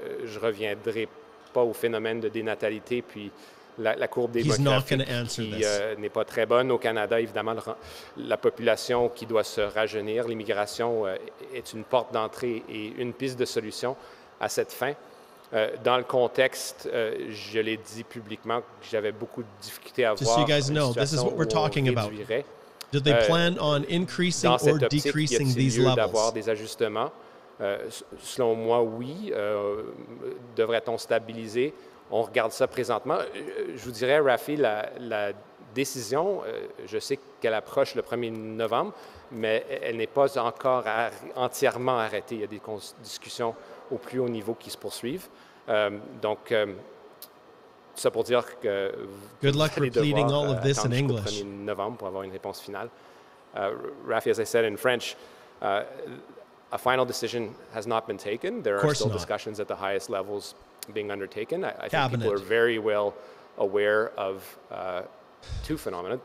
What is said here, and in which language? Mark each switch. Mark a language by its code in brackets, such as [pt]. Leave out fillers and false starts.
[fr] Je reviendrai pas au phénomène de dénatalité puis la courbe démographique qui n'est pas très bonne au Canada. Évidemment, la population qui doit se rajeunir, l'immigration est une porte d'entrée et une piste de solution à cette fin. Dans le contexte, je l'ai dit publiquement que j'avais beaucoup de difficultés à voir. [en] Just so you guys know, this is what we're talking about. Do they plan on increasing or decreasing these levels? [fr] D'avoir des ajustements Selon moi, oui. Devrait-on stabiliser? On regarde ça présentement. Je vous dirais, Rafi, la décision, je sais qu'elle approche le 1er novembre, mais elle n'est pas encore entièrement arrêtée. Il y a des discussions au plus haut niveau qui se poursuivent. Ça pour dire que [en] good luck repeating all of this in English. [fr] 1er novembre pour avoir une réponse finale. [en] Rafi, as I said in French, a final decision has not been taken. There are still discussions at the highest levels being undertaken. I think people are very well aware of two phenomena.